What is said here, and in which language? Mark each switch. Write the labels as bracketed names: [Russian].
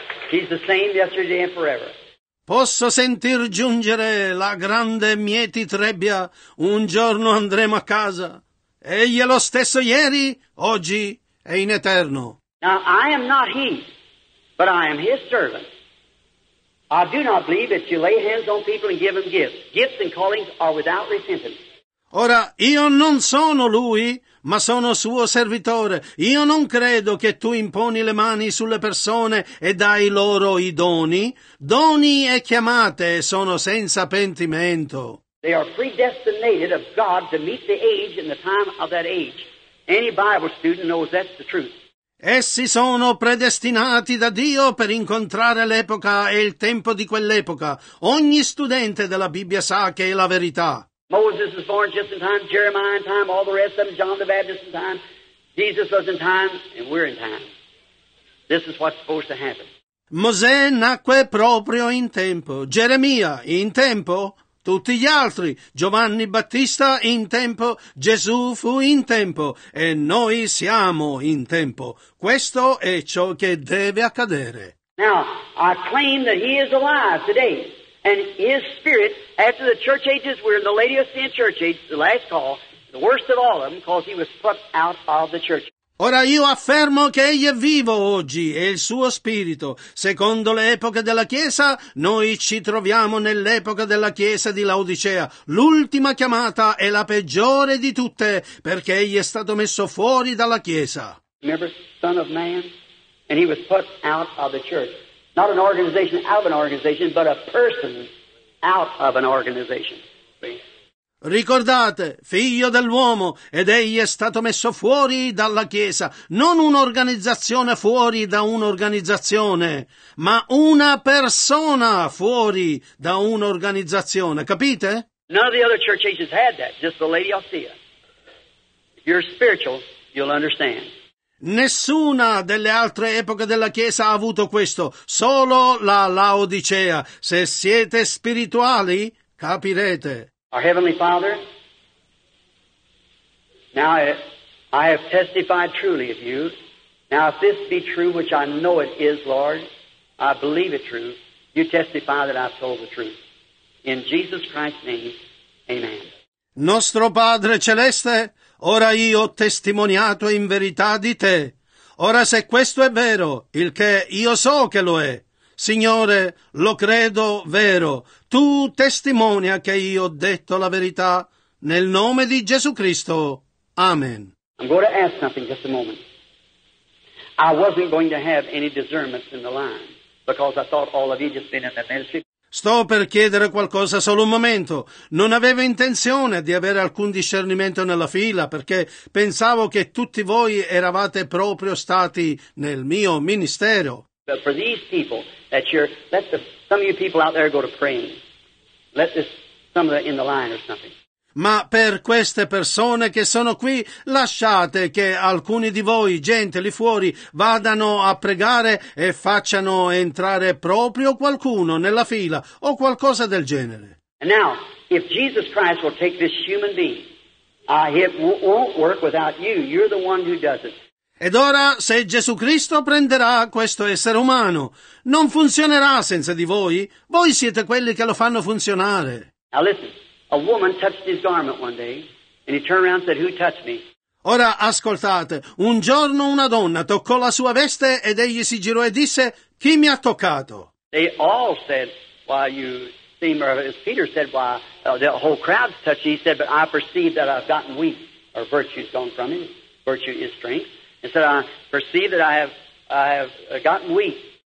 [English] He's the same yesterday and forever. [Italian] Posso sentir giungere la grande mieti trebbia. Un giorno andremo a casa. Egli è lo stesso ieri, oggi e in eterno. [English] Now, I am not he, but I am his servant. I do not believe that you lay hands on people and give them gifts. Gifts and callings are without repentance. [Italian] Ora, io non sono lui, ma sono suo servitore. Io non credo che tu imponi le mani sulle persone e dai loro i doni. Doni e chiamate sono senza pentimento. [English] They are predestinated of God to meet the age and the time of that age. Any Bible student knows that's the truth. [Italian] Essi sono predestinati da Dio per incontrare l'epoca e il tempo di quell'epoca. Ogni studente della Bibbia sa che è la verità. [English] Moses was born just in time, Jeremiah in time, all the rest of them, John the Baptist in time, Jesus was in time, and we're in time. This is what's supposed to happen. [Italian] Mosè nacque proprio in tempo, Geremia in tempo, tutti gli altri, Giovanni Battista in tempo, Gesù fu in tempo, e noi siamo in tempo. Questo è ciò che deve accadere. [English] Now, I claim that he is alive today. And his spirit, after the church ages, we're in the Laodicean church age, the last call, the worst of all of them, because he was put out of the church. [Italian] Ora io affermo che egli è vivo oggi, e il suo spirito. Secondo le epoche della Chiesa, noi ci troviamo nell'epoca della Chiesa di Laodicea. L'ultima chiamata è la peggiore di tutte, perché egli è stato messo fuori dalla Chiesa. [English] Remember, son of man? And he was put out of the church. Not an organization out of an organization, but a person out of an organization. [Italian] Ricordate, figlio dell'uomo, ed egli è stato messo fuori dalla Chiesa, non un'organizzazione fuori da un'organizzazione, ma una persona fuori da un'organizzazione, capite? [English] None of the other church ages had that, just the Laodicea. If you're spiritual, you'll understand. [Italian] Nessuna delle altre epoche della Chiesa ha avuto questo, solo la Laodicea. Se siete spirituali, capirete. [English] Our Heavenly Father, now I have testified truly of you. Now if this be true, which I know it is, Lord, I believe it true, you testify that I've told the truth. In Jesus Christ's name, amen. [Italian] Nostro Padre Celeste, ora io ho testimoniato in verità di te. Ora se questo è vero, il che io so che lo è, Signore, lo credo vero. Tu testimonia che io ho detto la verità nel nome di Gesù Cristo. Amen. [English] I'm going to ask something just a moment. I wasn't going to have any discernments in the line because I thought all of you just been in the ministry. [Italian] Sto per chiedere qualcosa, solo un momento. Non avevo intenzione di avere alcun discernimento nella fila, perché pensavo che tutti voi eravate proprio stati nel mio ministero. [English] But for these people, that you're, let the, some of you people out there go to praying. Let this, some of the in the line or something. [Italian] Ma per queste persone che sono qui, lasciate che alcuni di voi, gente lì fuori, vadano a pregare e facciano entrare proprio qualcuno nella fila o qualcosa del genere. [English] And now, if Jesus Christ will take this human being, it won't work without you. You're the one who does it. [Italian] Ed ora, se Gesù Cristo prenderà questo essere umano, non funzionerà senza di voi. Voi siete quelli che lo fanno funzionare. [English] Now listen. A woman touched his garment one day, and he turned around and said, "Who touched me?" [Italian] Ora ascoltate. Un giorno una donna toccò la sua veste ed egli si girò e disse, "Chi mi ha toccato?" [English] They all said, "Why you seem?" Or as Peter said, "Why the whole crowd touched?" He said, "But I perceive that I've gotten weak, or virtue's gone from him. Virtue is strength." He said, "I perceive that I have gotten weak."